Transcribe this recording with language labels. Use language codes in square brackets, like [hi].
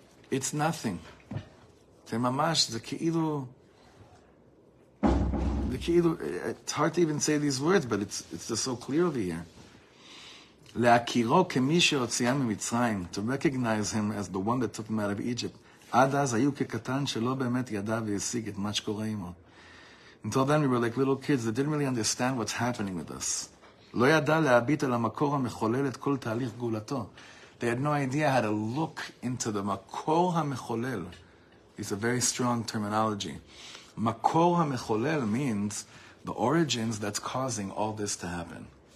[en] It's nothing. [he] Te mamash, [en] the ke'ilu, it's hard to even say these words, but it's just so clear over here. [he] להכירו כמי שהוציאה ממצרים, [en] to recognize him as the one that took him out of Egypt. [he] עד אז היו כקטן שלא באמת ידע והשיג את מה שקורה עמו. [en] Until then we were like little kids that didn't really understand what's happening with us. [he] לא ידע להביט אל המקור המחולל את כל תהליך גולתו. [en] They had no idea how to look into the מקור המחולל. It's a very strong terminology. מקור המחולל means the origins that's causing all this to happen.